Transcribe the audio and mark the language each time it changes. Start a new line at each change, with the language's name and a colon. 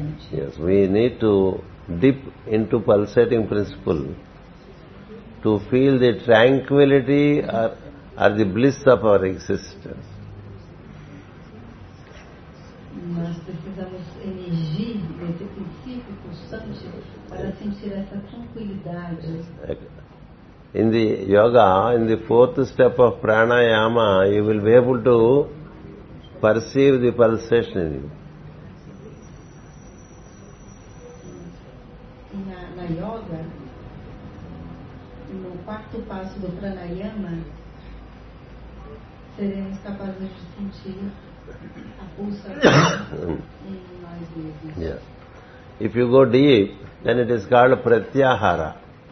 English: Yes, we need to dip into pulsating principle to feel the tranquility or the bliss of our existence.
Portuguese: Nós precisamos emergir desse princípio pulsante para sentir essa tranquilidade.
English: In the yoga, in the fourth step of pranayama, you will be able to perceive the pulsation in you.
Portuguese: Na yoga, no quarto passo do pranayama, seremos capazes de sentir a pulsação em nós mesmos.
English: If you go deep, then it is called pratyahara.